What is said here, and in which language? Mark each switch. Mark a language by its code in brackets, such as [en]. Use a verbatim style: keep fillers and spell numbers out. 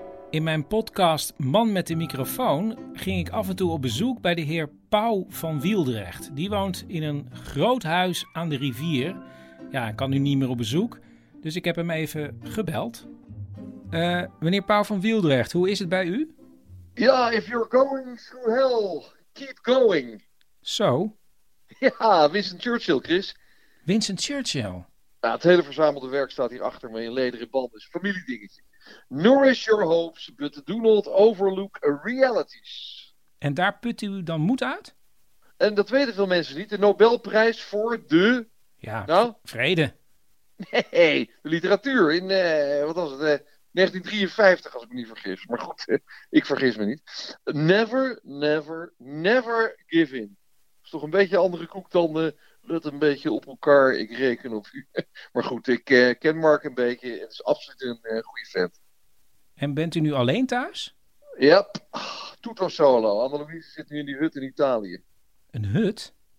[nl] In mijn podcast Man met de microfoon ging ik af en toe op bezoek bij de heer Pauw van Wieldrecht. Die woont in een groot huis aan de rivier. Ja, hij kan nu niet meer op bezoek. Dus ik heb hem even gebeld. Uh, meneer Pauw van Wieldrecht, hoe is het bij u? [en] Ja, if you're going through hell, keep going. [nl] Zo? Ja, Winston Churchill, Chris. Winston Churchill? Nou, het hele verzamelde werk staat hier achter me in lederen band. Dus familiedingetje. [en] Nourish your hopes, but do not overlook realities. [nl] En daar put u dan moed uit? En dat weten veel mensen niet. De Nobelprijs voor de... Ja, nou? Vrede. Nee, de literatuur in... Uh, wat was het... Uh, negentien drieënvijftig, als ik me niet vergis. Maar goed, ik vergis me niet. [en] Never, never, never give in. [nl] Dat is toch een beetje andere koek dan... Uh, let een beetje op elkaar, ik reken op u. Maar goed, ik uh, ken Mark een beetje. Het is absoluut een uh, goede vent. En bent u nu alleen thuis? Ja, yep. ah, [it] tutto solo. [nl] Annelies zit nu in die hut in Italië. Een hut?